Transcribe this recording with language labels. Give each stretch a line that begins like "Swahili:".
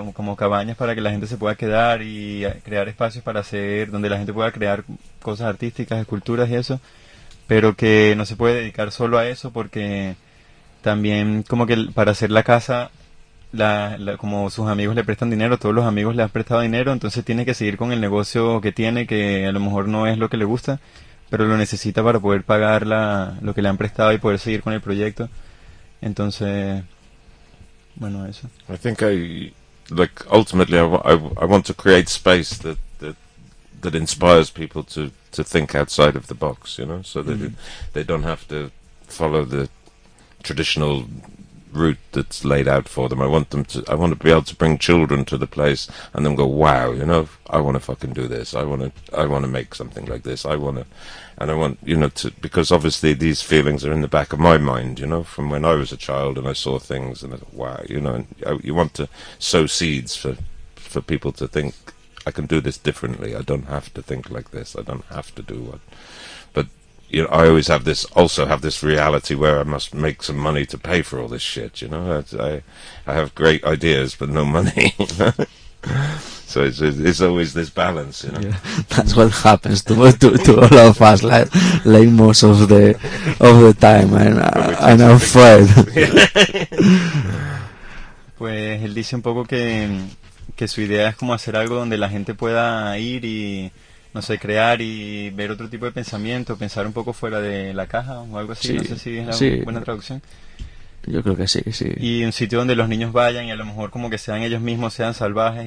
Spanish: Como cabañas para que la gente se pueda quedar y crear espacios para hacer, donde la gente pueda crear cosas artísticas, esculturas y eso, pero que no se puede dedicar solo a eso porque también como que para hacer la casa, como sus amigos le prestan dinero, todos los amigos le han prestado dinero, entonces tiene que seguir con el negocio que tiene, que a lo mejor no es lo que le gusta, pero lo necesita para poder pagar lo que le han prestado y poder seguir con el proyecto. Entonces, bueno, eso.
English: I think I want to create space that inspires people to think outside of the box, you know, so that they don't have to follow the traditional route that's laid out for them. I want to be able to bring children to the place and then go, wow, you know, I want to fucking do this. I want to make something like this. Because obviously these feelings are in the back of my mind, you know, from when I was a child and I saw things and I thought, wow, you know, you want to sow seeds for people to think, I can do this differently. I don't have to think like this. I don't have to do what. You know, I always have this. Also, have this reality where I must make some money to pay for all this shit. You know, I have great ideas, but no money. So it's always this balance. You know, yeah, that's what happens to all of us, like most of the time, and I'm afraid.
Spanish: Pues, él dice un poco que su idea es como hacer algo donde la gente pueda ir y no sé, crear y ver otro tipo de pensamiento, pensar un poco fuera de la caja o algo así, sí, no sé si es buena traducción. Yo creo que sí. Y un sitio donde los niños vayan y a lo mejor como que sean ellos mismos, sean salvajes.